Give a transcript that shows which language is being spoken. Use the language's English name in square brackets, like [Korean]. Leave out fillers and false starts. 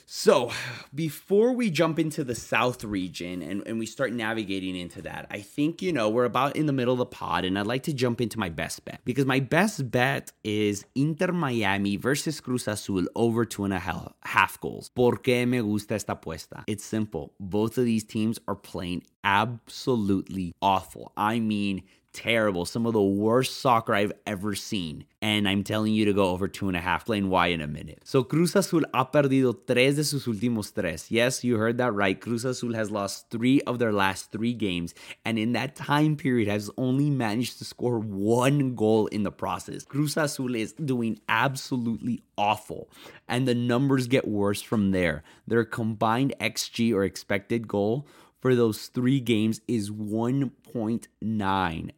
[English] So before we jump into the South region and we start navigating into that, I think, you know, we're about in the middle of the pod and I'd like to jump into my best bet, because my best bet is Inter Miami versus Cruz Azul over 2.5 goals. [Spanish] ¿Por qué me gusta esta apuesta? [English] It's simple. Both of these teams are playing absolutely awful. I mean, terrible. Some of the worst soccer I've ever seen. And I'm telling you to go over 2.5. Explain why in a minute. [Spanish] So Cruz Azul ha perdido 3 de sus últimos 3. [English] Yes, you heard that right. Cruz Azul has lost 3 of their last 3 games. And in that time period, has only managed to score 1 goal in the process. Cruz Azul is doing absolutely awful. And the numbers get worse from there. Their combined XG, or expected goal, for those 3 games is 1.9.